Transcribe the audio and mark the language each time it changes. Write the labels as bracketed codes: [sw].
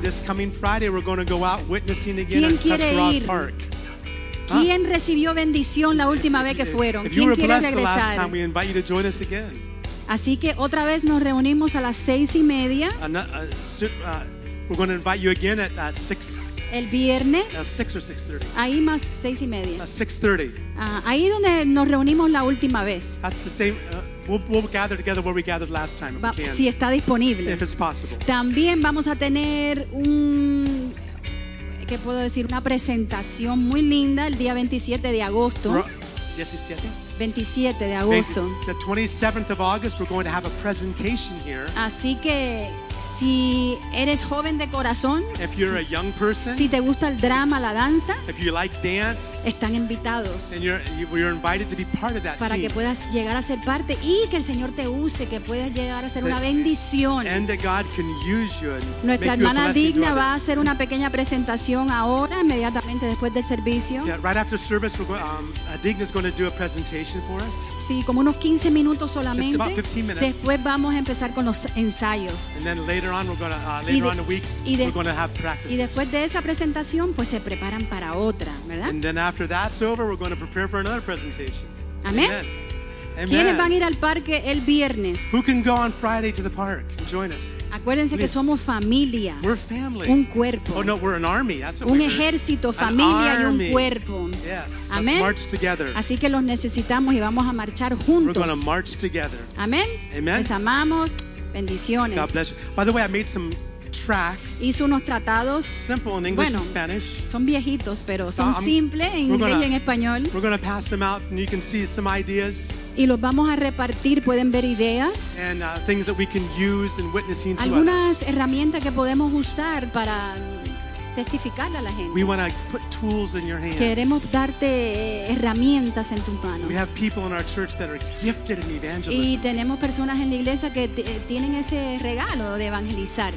[en] This coming Friday we're going to go out witnessing again. [es] ¿Quién quiere ir? [en] Park. [es] ¿Quién recibió bendición la última vez que fueron? ¿Quién quiere regresar? [en] The last time, we invite you to join us again. [es] Así que otra vez nos reunimos a las 6:30. [en] We're going to invite you again at 6. [es] El viernes. [en] 6 or 6:30. [es] Ahí más 6:30. 6:30. Ahí donde nos reunimos la última vez. [en] That's the same. We'll gather together where we gathered last time. If we can, [es] si está disponible. [en] If it's possible. [es] También vamos a tener un ¿qué puedo decir? Una presentación muy linda el día 27 de agosto. 27 de agosto. [en] The 27th of August, we're going to have a presentation here. [es] Así que si eres joven de corazón, [en] if you're a young person, [es] si te gusta el drama, la danza, [en] if you like dance, [es] están invitados. [en] And you're invited to be part of that [es] para [en] team. [es] Que puedas llegar a ser parte y que el Señor te use, que puedas llegar a ser una bendición. [en] And that God can use you and [es] nuestra hermana [en] you a [es] Digna va A hacer una pequeña presentación ahora, inmediatamente después del servicio. [en] Yeah, right after service, Digna is going to do a presentation for us. [es] Sí, como unos 15 minutos solamente. [en] Just about 15 minutes. [es] Después vamos a empezar con los ensayos. [en] Later on, we're going to later on in the weeks we're going to have practices. [es] Y después de esa presentación, pues se preparan para otra, ¿verdad? [en] And then after that's over, we're going to prepare for another presentation. Amen. Amen. [es] ¿Quiénes van a ir al parque el viernes? [en] Who can go on Friday to the park and join us? [es] Acuérdense que somos familia. [en] We're family. [es] Un cuerpo. [en] Oh no, we're an army. That's [es] un ejército, familia y un cuerpo. [en] Yes. Amen. Let's march together. [es] Así que los necesitamos y vamos a marchar juntos. [en] We're going to march together. Amen. Amen. [es] Les amamos. Bendiciones. [en] God bless you. By the way, I made some tracks. [es] Hizo unos tratados. [en] Simple in English and Spanish. [es] Son viejitos, pero son simples en inglés y en español. [en] We're going to pass them out and you can see some ideas. [es] Y los vamos a repartir, pueden ver ideas. [en] And things that we can use in witnessing to [es] algunas [en] others. [es] Herramientas que podemos usar para testificarle a la gente. [en] We want to put tools in your hands. [es] Queremos darte herramientas en tus manos. [en] We have people in our church that are gifted in evangelism. [es] Y tenemos personas en la iglesia que tienen ese regalo de evangelizar.